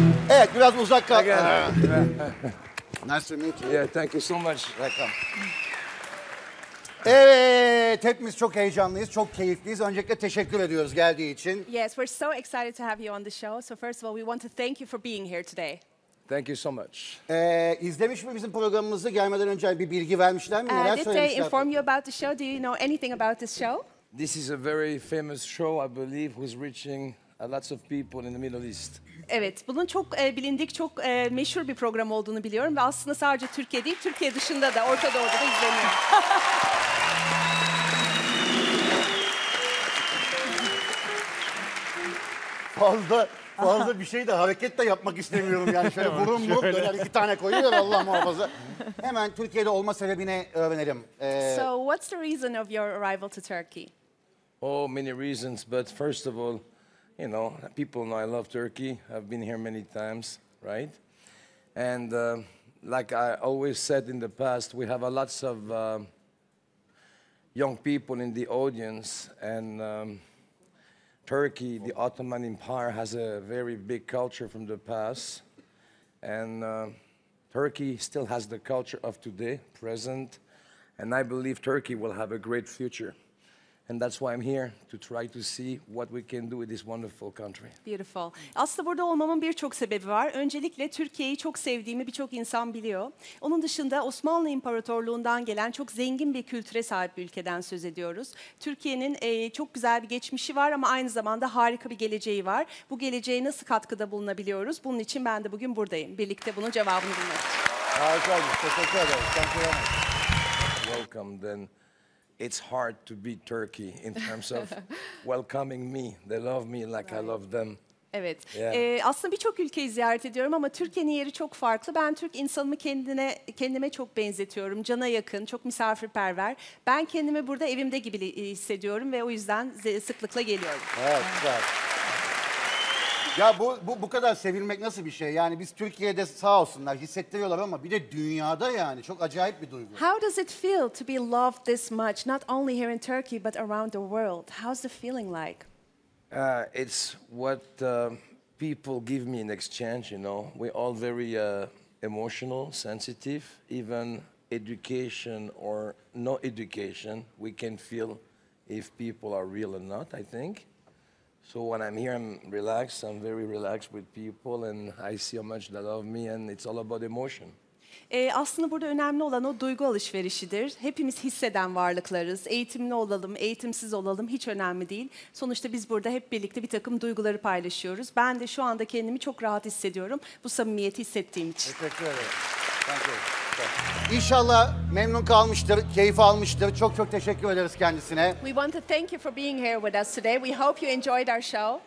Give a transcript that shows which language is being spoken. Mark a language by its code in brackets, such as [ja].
[tr] Evet, biraz uzak kal. [en] Again. Nice to meet you. Yeah, thank you so much. Welcome. [tr] Evet, hepimiz çok heyecanlıyız, çok keyifliyiz. Öncelikle teşekkür ediyoruz geldiği için. [en] Yes, we're so excited to have you on the show. So first of all, we want to thank you for being here today. Thank you so much. [tr] İzlemiş mi bizim programımızı gelmeden önce bir bilgi vermişler mi? Neler söylemişler? [en] Did they inform you about the show? Do you know anything about this show? This is a very famous show, I believe, who's reaching lots of people in the Middle East. [tr] Evet, bunun çok bilindik, çok meşhur bir program olduğunu biliyorum. Ve aslında sadece Türkiye değil, Türkiye dışında da, Orta Doğu'da da izleniyor. Fazla... Fazla bir şey de hareket de yapmak istemiyorum yani şöyle vurum vurum döner iki tane koyuyor Allah muhafaza. Hemen Türkiye'de olma sebebini öğrenelim. [en] So what's the reason of your arrival to Turkey? Oh, many reasons, but first of all, you know, people know I love Turkey. I've been here many times, right? And like I always said in the past, we have a lots of young people in the audience and... Turkey, the Ottoman Empire, has a very big culture from the past. And Turkey still has the culture of today, present. And I believe Turkey will have a great future. And that's why I'm here, to try to see what we can do with this wonderful country. Beautiful. [tr] Aslında burada olmamın birçok sebebi var. Öncelikle Türkiye'yi çok sevdiğimi birçok insan biliyor. Onun dışında Osmanlı İmparatorluğu'ndan gelen çok zengin bir kültüre sahip bir ülkeden söz ediyoruz. Türkiye'nin çok güzel bir geçmişi var ama aynı zamanda harika bir geleceği var. Bu geleceğe nasıl katkıda bulunabiliyoruz? Bunun için ben de bugün buradayım. Birlikte bunun cevabını bulmak için. Harika. Teşekkür ederim. [en] Thank you very much. Welcome then. It's hard to beat Turkey in terms of welcoming me. They love me like I love them. [tr] Evet. [en] Yeah. [tr] Aslında birçok ülkeyi ziyaret ediyorum ama Türkiye'nin yeri çok farklı. Ben Türk insanımı kendime çok benzetiyorum. Cana yakın, çok misafirperver. Ben kendimi burada evimde gibi hissediyorum ve o yüzden sıklıkla geliyorum. Evet, güzel. Ya bu kadar sevilmek nasıl bir şey? Yani biz Türkiye'de sağ olsunlar hissettiriyorlar ama bir de dünyada yani çok acayip bir duygu. [en] How does it feel to be loved this much, not only here in Turkey but around the world? How's the feeling like? It's what people give me in exchange, you know. We're all very emotional, sensitive. Even education or no education, we can feel if people are real or not, I think. So when I'm here, I'm relaxed. I'm very relaxed with people, and I see how much they love me, and it's all about emotion. [tr] Aslında burada önemli olan o duygu alışverişidir. Hepimiz hisseden varlıklarız. Eğitimli olalım, eğitimsiz olalım hiç önemli değil. Sonuçta biz burada hep birlikte bir takım duyguları paylaşıyoruz. Ben de şu anda kendimi çok rahat hissediyorum bu samimiyeti hissettiğim için. Teşekkür ederim. İnşallah memnun kalmıştır, keyif almıştır. Çok çok teşekkür ederiz kendisine. [en] We want to thank you for being here with us today. We hope you enjoyed our show.